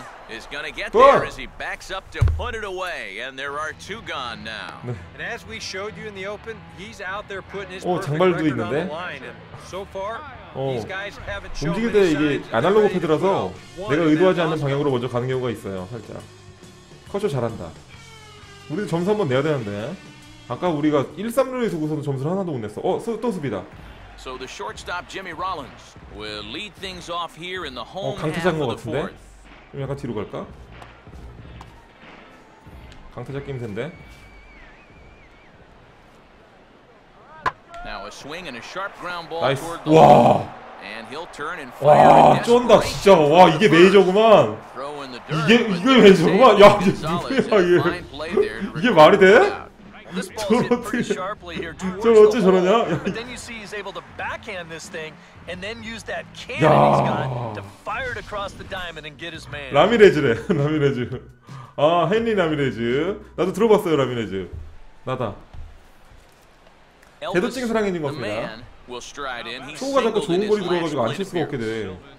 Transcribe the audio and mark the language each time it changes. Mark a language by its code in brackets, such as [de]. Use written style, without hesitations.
[en] is going to get there as he backs up to put it away and there are two gone now. And as we showed you in the open, he's out there putting his [ko] 오, 장발도 있는데. [en] So far, 어. [ko] 움직일 때 이게 아날로그 패드라서 내가 의도하지 않는 방향으로 먼저 가는 경우가 있어요. 살짝. 커쇼 잘한다. 우리도 점수 한번 내야 되는데. 아까 우리가 1, 3루에 두고서는 점수를 하나도 못 냈어. 어, 또 수비다. [en] So the shortstop Jimmy Rollins will lead things off here in the home. [ko] 어, 강타장 것 같은데. 좀 약간 뒤로 갈까? 강타자 낌새인데. 나이스. 와. 와, 쫀다 진짜. 와, 이게 메이저구만. 이게 메이저구만. 야, 이게 누구야 이게. 이게 말이 돼? 저 어째 저러냐? [en] But then you see he's able to backhand this thing and then use that cannon he's got to fire it across the diamond and get his man. [ko] 라미레즈래. 라미레즈. 아, 헨리 라미레즈. 나도 들어봤어요, 라미레즈. 나다. 제도증 사랑해 준 겁니다. 초우가 자꾸 좋은 거리 들어가지고 안 칠 수가 없게 돼.